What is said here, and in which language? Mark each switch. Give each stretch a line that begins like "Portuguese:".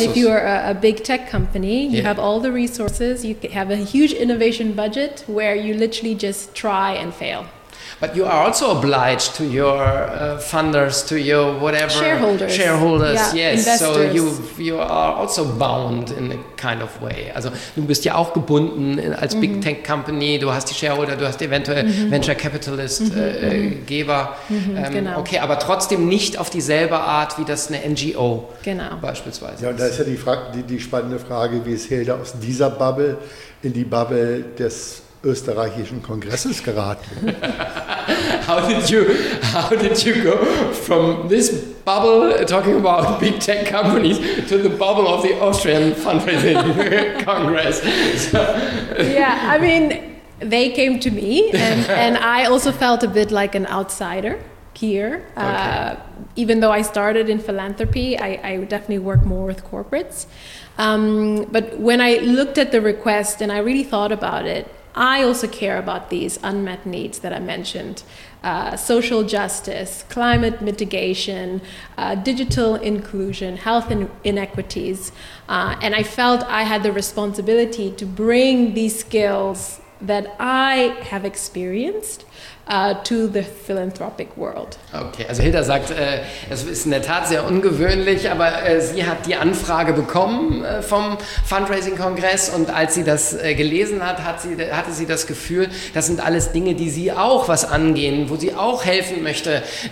English: if you are a big tech company, you yeah. have all the resources, you have a huge innovation budget where you literally just try and fail. But you are also obliged to your funders, to your whatever. Shareholders, yeah, yes. Investors. So you are also bound in a kind of way.
German: Also du bist ja auch gebunden als mm-hmm. Big Tech Company. Du hast die Shareholder, du hast eventuell mm-hmm. Venture Capitalist mm-hmm. Geber. Mm-hmm, genau. Okay, aber trotzdem nicht auf dieselbe Art, wie das eine NGO genau. beispielsweise. Ja, und da ist ja die spannende Frage, wie ist Hilda aus dieser Bubble in die Bubble des österreichischen Kongresses geraten.
English: How did you go from this bubble talking about big tech companies to the bubble of the Austrian Fundraising Congress? So. Yeah, I mean, they came to me and I also felt a bit like an outsider here. Okay. Even though I started in philanthropy, I definitely work more with corporates. But when I looked at the request and I really thought about it, I also care about these unmet needs that I mentioned, social justice, climate mitigation, digital inclusion, health inequities, and I felt I had the responsibility to bring these skills that I have experienced to the philanthropic world.
German: Okay, also Hilda sagt, es ist in der Tat sehr ungewöhnlich, aber sie hat die Anfrage bekommen vom Fundraising-Kongress, und als sie das gelesen hat, hatte sie das Gefühl, das sind alles Dinge, die sie auch was angehen, wo sie auch helfen möchte,